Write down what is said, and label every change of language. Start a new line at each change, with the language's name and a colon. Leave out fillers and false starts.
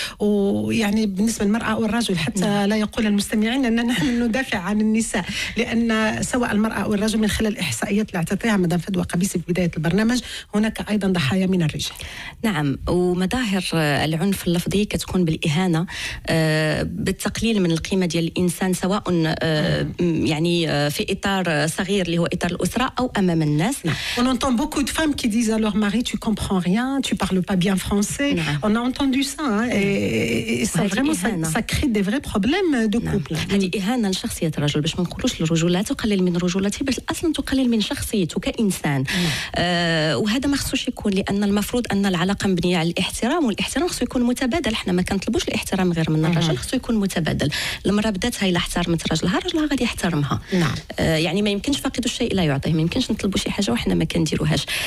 Arabic: ويعني بالنسبة للمرأة أو الرجل، حتى لا يقول المستمعين أننا نحن ندافع عن النساء، لأن سواء المرأة أو الرجل من خلال إحصائيات اللي اعتطيها مدام فدوى قبيسي في بداية البرنامج، هناك أيضا ضحايا من الرجال. نعم، ومظاهر العنف اللفظي كتكون بالإهانة، بالتقليل من القيمة ديال الإنسان، سواء يعني في إطار صغير اللي هو إطار الأسرة أو أمام الناس.
French: On entend beaucoup de femmes qui disent à leur mari tu comprends rien, tu parles pas bien français. On a entendu ça hein, et ça vraiment ça crée des vrais problèmes de couple.
Arabic: هذه إهانة لشخصية الرجل، باش ما نقولوش للرجولة تقلل من رجولته، باش أصلا تقلل من شخصيته كإنسان. وهذا ما خصوش يكون، لأن المفروض أن العلاقة مبنية على الاحترام، والاحترام خصو يكون متبادل، إحنا ما كنطلبوش الاحترام غير من الرجل، خصو يكون متبادل. المرأة بدات هاي احترمت رجلها، رجلها غادي يحترمها. يعني ما يمكنش فاقد الشيء لا يعطيه، ما يمكنش نطلبو شي حاجة وحنا ما كنديروهاش.